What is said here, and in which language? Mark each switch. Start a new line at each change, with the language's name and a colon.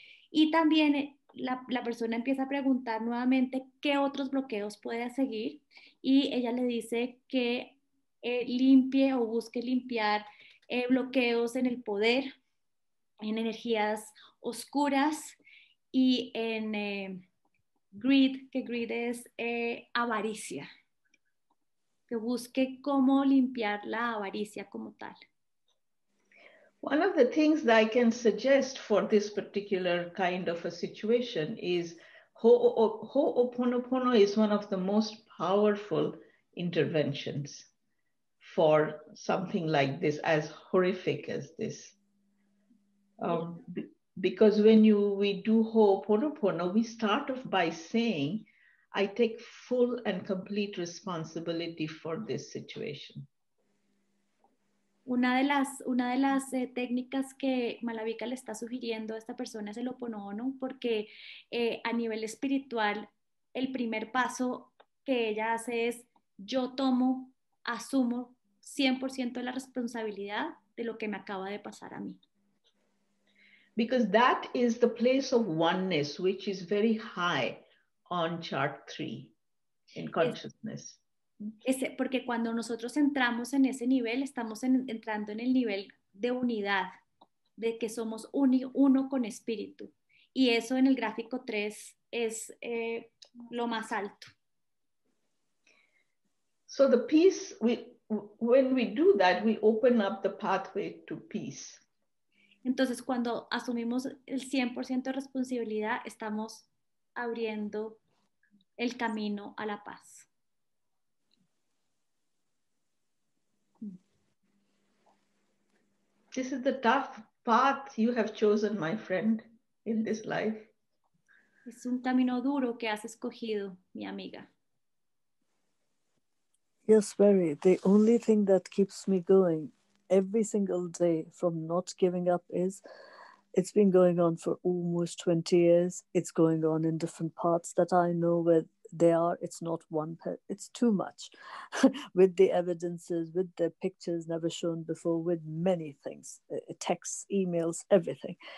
Spanish: Y también la persona empieza a preguntar nuevamente qué otros bloqueos puede seguir, y ella le dice que limpie o busque limpiar bloqueos en el poder, en energías oscuras y en greed, que greed es avaricia, que busque cómo limpiar la avaricia como tal.
English: One of the things that I can suggest for this particular kind of a situation is Ho'oponopono is one of the most powerful interventions for something like this, as horrific as this. Because when we do Ho'oponopono, we start off by saying, I take full and complete responsibility for this situation.
Spanish: Una de las técnicas que Malabika le está sugiriendo a esta persona es el Ho Oponopono, porque a nivel espiritual el primer paso que ella hace es yo tomo, asumo 100% la responsabilidad de lo que me acaba de pasar a mí.
English: Because that is the place of oneness, which is very high on chart 3 in consciousness.
Spanish: Porque cuando nosotros entramos en ese nivel, estamos entrando en el nivel de unidad, de que somos uno con espíritu. Y eso en el gráfico 3 es lo más alto.
English: So the peace, when we do that, we open up the pathway to peace.
Spanish: Entonces, cuando asumimos el 100% de responsabilidad, estamos abriendo el camino a la paz.
English: This is the tough path you have chosen, my friend, in this life.
Spanish: Es un camino duro que has escogido, mi amiga.
English: Yes, very. The only thing that keeps me going every single day from not giving up is, it's been going on for almost 20 years. It's going on in different parts that I know where they are. It's not one, it's too much with the evidences, with the pictures never shown before, with many things, texts, emails, everything.